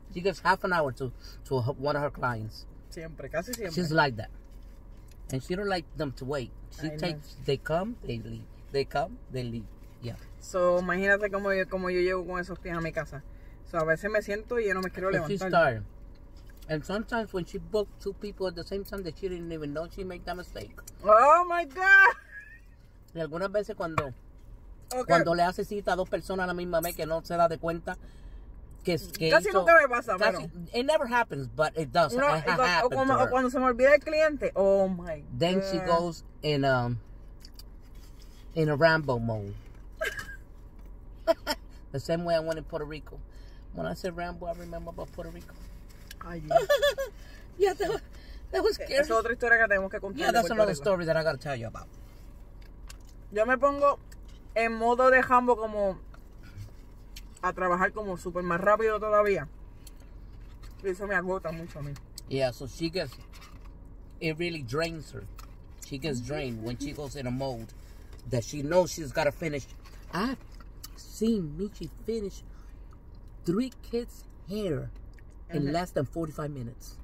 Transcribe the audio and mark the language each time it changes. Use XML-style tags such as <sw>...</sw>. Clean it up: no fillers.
<en>She gives half an hour to one of her clients.</en> <es>Siempre, casi siempre.</es> <en>She's like that. And she don't like them to wait. She takes, they come, they leave. They come, they leave. Yeah.</en> <es>So, imagínate cómo yo llego con esos pies a mi casa. So a veces me siento y yo no me quiero levantar.</es> <en>She started. And sometimes when she booked two people at the same time that she didn't even know, she made that mistake. Oh my God.</en> <es>Y algunas veces cuando cuando le hace cita a dos personas a la misma vez que no se da de cuenta. Que casi hizo, nunca me pasa, casi, bueno.</es> <en>It never happens, but it does.</en> <es>No, o cuando se me olvida el cliente.</es> <en>Oh my God. Then she goes in a Rambo mode. The same way I went in Puerto Rico. When I said Rambo, I remember about Puerto Rico.</en> <es>Ay, Dios.</es> <en>Yeah, that was scary.</en> <es>Esa es otra historia que tenemos que contar.</es> <en>Yeah, that's another story that I gotta tell you about.</en> <es>Yo me pongo en modo de Rambo como a trabajar como súper más rápido todavía. Y eso me agota mucho a mí.</es> <en>Yeah, so she gets, it really drains her. She gets drained when she goes in a mode that she knows she's gotta finish. I've seen Michi finish 3 kids' hair in less than 45 minutes.</en>